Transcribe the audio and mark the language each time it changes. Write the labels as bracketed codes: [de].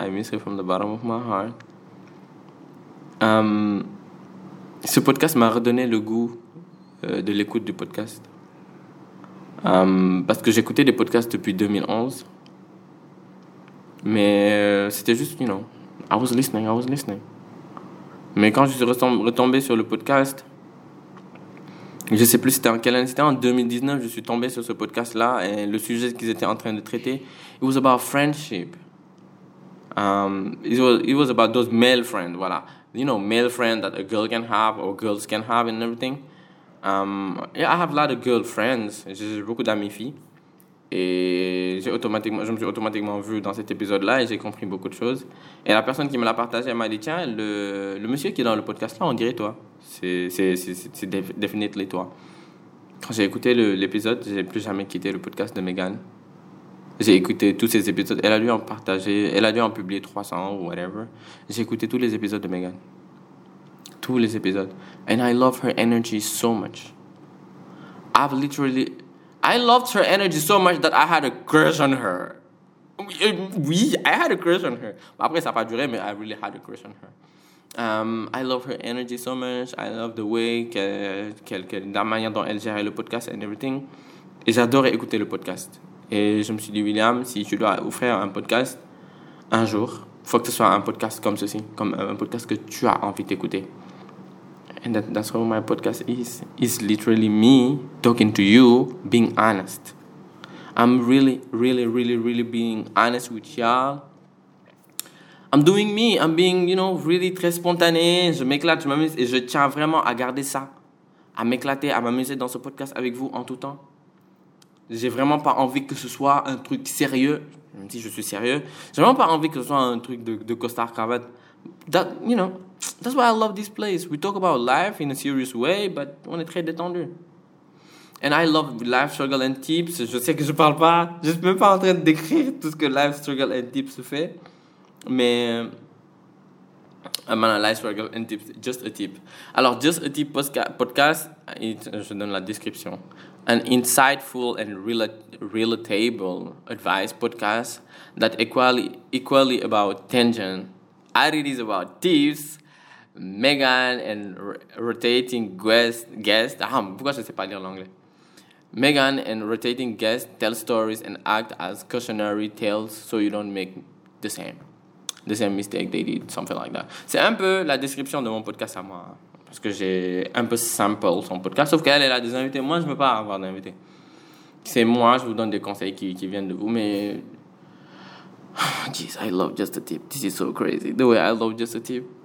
[en] I miss her from the bottom of my heart. [fr] Ce podcast m'a redonné le goût de l'écoute du podcast. Parce que j'écoutais des podcasts depuis 2011. Mais c'était juste, [en] you know, I was listening. [fr] Mais quand je suis retombé sur le podcast, Je ne sais plus c'était en quelle année, c'était en 2019, je suis tombé sur ce podcast-là et le sujet qu'ils étaient en train de traiter, [en] it was about friendship. It was about those male friends, voilà. You know, male friends that a girl can have or girls can have and everything. I have a lot of girl friends, [fr] j'ai beaucoup d'amis filles. Et je me suis automatiquement vu dans cet épisode-là et j'ai compris beaucoup de choses. Et la personne qui me l'a partagé, elle m'a dit, tiens, le monsieur qui est dans le podcast-là, on dirait toi. C'est definitely toi. Quand j'ai écouté l'épisode, je n'ai plus jamais quitté le podcast de Megan. J'ai écouté tous ces épisodes. Elle a dû en publier 300 ou whatever. J'ai écouté tous les épisodes de Megan. Tous les épisodes. [en] And I love her energy so much. I loved her energy so much that I had a crush on her. Oui, I had a crush on her. [fr] Après, ça n'a pas duré, mais [en] I really had a crush on her. I love her energy so much. I love the way, [fr] la manière dont elle gérait le podcast [en] and everything. [fr] Et j'adorais écouter le podcast. Et je me suis dit, William, si tu dois offrir un podcast un jour, il faut que ce soit un podcast comme ceci, comme un podcast que tu as envie d'écouter. [en] And that's what my podcast is. It's literally me talking to you, being honest. I'm really, really, really, really being honest with y'all. I'm doing me. I'm being, you know, really [fr] très spontané. Je m'éclate, je m'amuse et je tiens vraiment à garder ça. À m'éclater, à m'amuser dans ce podcast avec vous en tout temps. J'ai vraiment pas envie que ce soit un truc sérieux. Même si je suis sérieux. J'ai vraiment pas envie que ce soit un truc de costard cravate. [en] That, you know, that's why I love this place. We talk about life in a serious way, but [fr] on est très détendu. [en] And I love life struggle and tips. [fr] Je sais que je parle pas, je suis même pas en train de décrire tout ce que life struggle and tips fait. [en] Mais I'm on a life struggle and tips, just a tip. [fr] Alors, just a tip podcast, je donne la description. [en] An insightful and relatable advice podcast that equally about tangent. And it is about tips, Megan and rotating guests. [fr] Ah, pourquoi je ne sais pas lire l'anglais? [en] Megan and rotating guests tell stories and act as cautionary tales so you don't make the same mistake they did, something like that. [fr] C'est un peu la description de mon podcast à moi, hein, parce que j'ai un peu sample son podcast, sauf qu'elle est là des invités. Moi, je ne veux pas avoir d'invité. C'est moi, je vous donne des conseils qui viennent de vous, mais... [en] Jeez, I love just a tip. This is so crazy. The way I love just a tip.